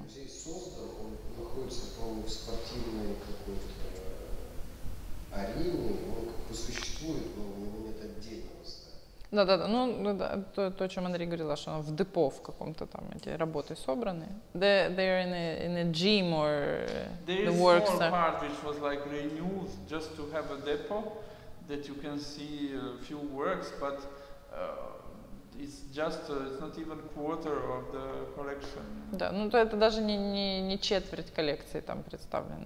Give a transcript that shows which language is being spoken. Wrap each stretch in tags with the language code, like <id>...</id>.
<ru>В спортивной какой-то арене, он как бы существует, но у него нет отдельного здания. Да-да-да, ну да, то, о чем Андрей говорил, что он в депо в каком-то там эти работы собраны.</ru> <en>They're in a gym or there the works. There is one part which was like renewed just to have a depot that you can see a few works, but it's just it's not even quarter of the collection.</en> <ru>Да, ну то это даже не четверть коллекции там представлен.</ru>